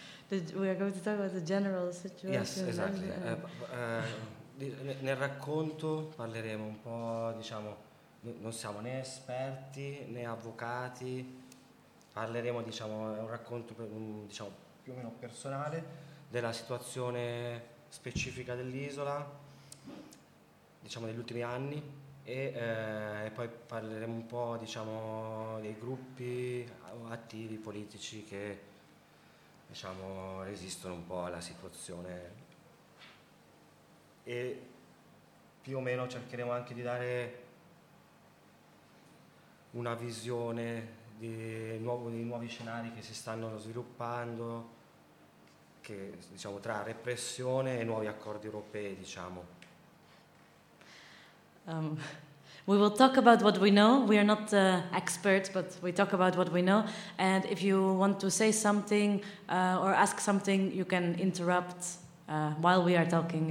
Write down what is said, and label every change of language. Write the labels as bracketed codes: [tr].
[en] We are going to talk about the general situation. Yes, exactly. [it] Nel racconto parleremo un po', diciamo, non siamo né esperti né avvocati, parleremo, diciamo, è un racconto per, diciamo, più o meno personale della situazione specifica dell'isola, diciamo degli ultimi anni, e poi parleremo un po', diciamo, dei gruppi attivi politici che diciamo resistono un po' alla situazione, e più o meno cercheremo anche di dare una visione dei nuovi scenari che si stanno sviluppando, che diciamo tra repressione e nuovi accordi europei, diciamo. [en] We will talk about what we know. We are not experts, but we talk about what we know. And if you want to say something or ask something, you can interrupt while we are talking.